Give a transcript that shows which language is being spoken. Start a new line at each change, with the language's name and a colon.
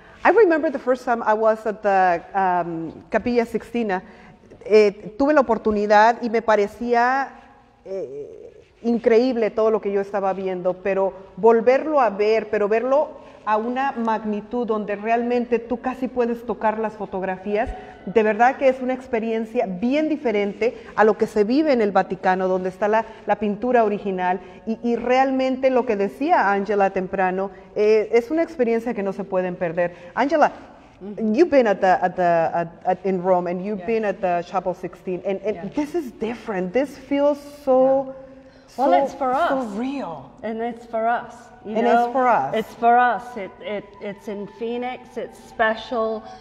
English: I remember the first time I was at the Capilla Sixtina.
Spanish: Tuve la oportunidad y me parecía increíble todo lo que yo estaba viendo, pero volverlo a ver, pero verlo a una magnitud donde realmente tú casi puedes tocar las fotografías, de verdad que es una experiencia bien diferente a lo que se vive en el Vaticano, donde está la pintura original, y realmente lo que decía Angela temprano, es una experiencia que no se pueden perder.
English: Angela, you've been in Rome, and you've been at the Chapel 16, and this is different. This feels so Well, so, it's for us. For real. And it's for us. It's for us. It's for us. It's in Phoenix. It's special.